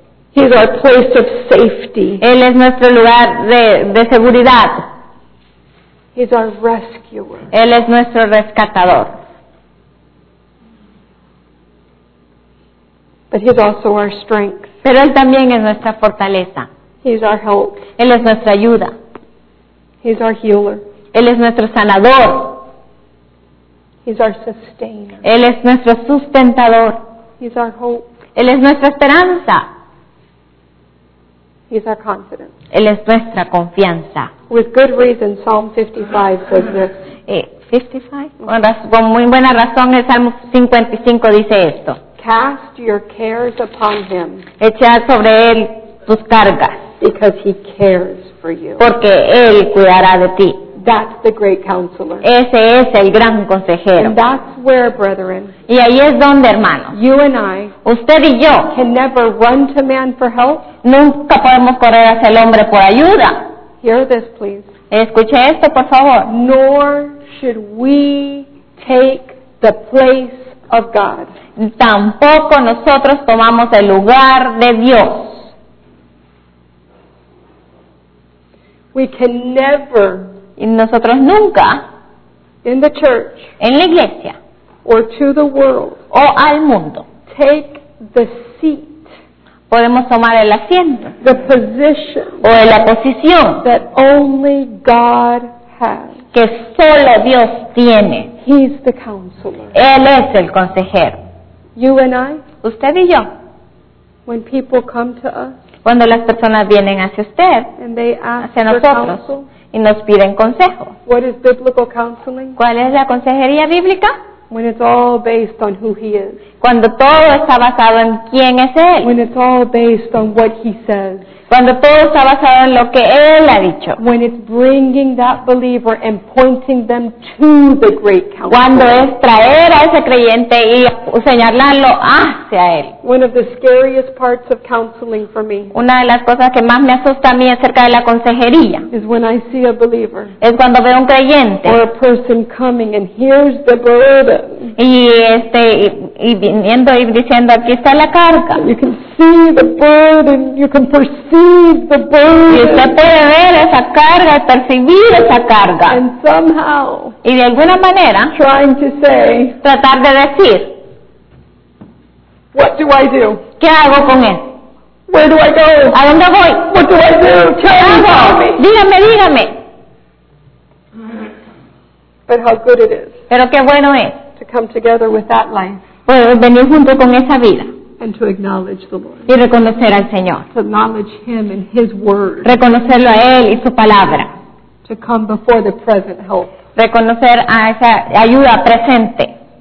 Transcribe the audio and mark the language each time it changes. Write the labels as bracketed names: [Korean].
[English] He is our place of safety. [Spanish] Él es nuestro lugar de seguridad. [English] He is our rescuer. [Spanish] Él es nuestro rescatador. [English] But he is also our strength. [Spanish] Pero él también es nuestra fortaleza. [English] He is our help. [Spanish] Él es nuestra ayuda. [English] He is our healer. [Spanish] Él es nuestro sanador. [English] He is our sustainer. [Spanish] Él es nuestro sustentador. [English] He is our hope. [Spanish] Él es nuestra esperanza. [English] He's our confidence. [Spanish] Él es nuestra confianza. [English] With good reason, Psalm 55 says this. 55? [Spanish] Con muy buena razón, el Salmo 55 dice esto. [English] Cast your cares upon him. [Spanish] Echa sobre él tus cargas. [English] Because he cares for you. [Spanish] Porque él cuidará de ti. [English] That's the great counselor. [Spanish] Ese es el gran consejero. [English] And that's where, brethren. [Spanish] Y ahí es donde, hermanos. [English] You and I. [Spanish] Usted y yo. [English] Can never run to man for help. [Spanish] Nunca podemos correr hacia el hombre por ayuda. [English] Hear this, please. [Spanish] Escuche esto, por favor. [English] Nor should we take the place of God. [Spanish] Tampoco nosotros tomamos el lugar de Dios. [English] We can never. [Spanish] Y nosotros nunca, [English] in the church, [Spanish] en la iglesia, [English] or to the world, [Spanish] o al mundo, [English] take the seat, [Spanish] podemos tomar el asiento, [English] the position, [Spanish] o la posición, [English] that only God has. [Spanish] Que solo Dios tiene. [English] He's the counselor. [Spanish] Él es el consejero. [English] You and I, [Spanish] usted y yo, [English] when people come to us, [Spanish] cuando las personas vienen hacia usted, [English] and they ask [Spanish] hacia nosotros, y nos piden consejo. [English] What is biblical counseling? [Spanish] ¿Cuál es la consejería bíblica? [English] When it's all based on who he is. [Spanish] Cuando todo está basado en quién es él. [English] When it's all based on what he says. [Spanish] Cuando todo está basado en lo que él ha dicho. [English] When it's bringing that believer and pointing them to the great counselor. [Spanish] Cuando es traer a ese creyente y señalarlo hacia él. [English] One of the scariest parts of counseling for me. [Spanish] Una de las cosas que más me asusta a mí acerca de la consejería. [English] Is when I see a believer. [Spanish] Es cuando veo un creyente. [English] Or a person coming and here's the burden. [Spanish] Y viniendo y diciendo aquí está la carga. [English] You can see the burden. You can perceive the burden. [Spanish] Y usted puede ver esa carga, percibir esa carga. [English] And somehow. [Spanish] Y de alguna manera. [English] Trying to say. [Spanish] Tratar de decir. [English] What do I do? [Spanish] ¿Qué hago con él? [English] Where do I go? [Spanish] ¿A dónde voy? [English] What do I do? Tell me. [Spanish] Dígame. [English] But how good it is. [Spanish] Pero qué bueno es. [English] To come together with that life. [Spanish] Pues venir junto con esa vida. [English] And to acknowledge the Lord. [Spanish] Y reconocer al Señor. [English] To acknowledge Him and His Word. [Spanish] Reconocerlo a Él y su palabra. [English] To come before the present help. [Spanish] Reconocer a esa ayuda presente.